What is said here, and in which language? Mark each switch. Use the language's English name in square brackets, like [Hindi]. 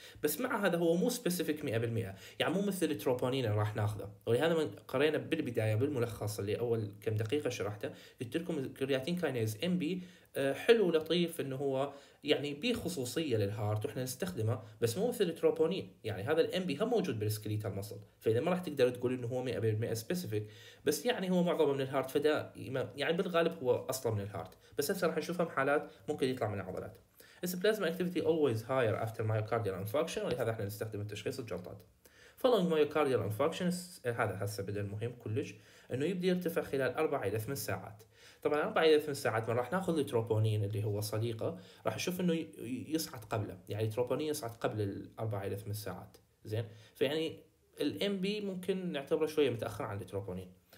[Arabic] بس مع هذا هو مو سبيسيفيك 100%، يعني مو مثل التروبونين اللي راح ناخذه، ولهذا من قرينا بالبدايه بالملخص اللي اول كم دقيقه شرحته، قلت لكم الكرياتين كاينيز ام بي حلو لطيف انه هو يعني بي خصوصيه للهارت واحنا نستخدمه، بس مو مثل التروبونين، يعني هذا الام بي هم موجود بالسكليتال مسل، فاذا ما راح تقدر تقول انه هو 100% سبيسيفيك، بس يعني هو معظمه من الهارت فده يعني بالغالب هو اصلا من الهارت، بس هسه راح نشوفهم حالات ممكن يطلع من العضلات. [English] Is plasma activity always higher after myocardial infarction؟ [Arabic] ولهذا احنا نستخدم تشخيص الجلطات. [English] Following myocardial infarction [Arabic] هذا هسه بدل مهم كلش، انه يبدا يرتفع خلال 4 الى 8 ساعات. طبعا 4 الى 8 ساعات من راح ناخذ التروبونين اللي هو صديقه راح نشوف انه يصعد قبله، يعني التروبونين يصعد قبل ال 4 الى 8 ساعات. زين؟ فيعني الام بي ممكن نعتبره شويه متاخر عن التروبونين.